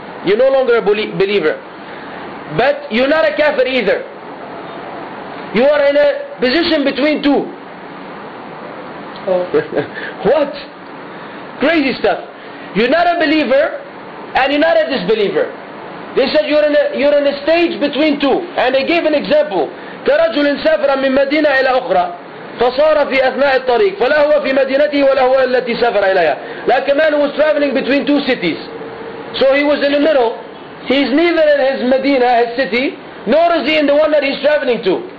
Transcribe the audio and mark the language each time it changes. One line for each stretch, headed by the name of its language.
English: You're no longer a believer. But you're not a kafir either. You are in a position between two. Oh. What? Crazy stuff. You're not a believer. And you're not a disbeliever. They said you're in a stage between two. And they gave an example.
Arabic: كرجل سافر من مدينة إلى أخرى فصار في أثناء الطريق فلا هو في مدينته ولا هو التي سافر إليها.
English: Like a man who was traveling between two cities. So he was in the middle. He's neither in his Medina, his city, nor is he in the one that he's traveling to.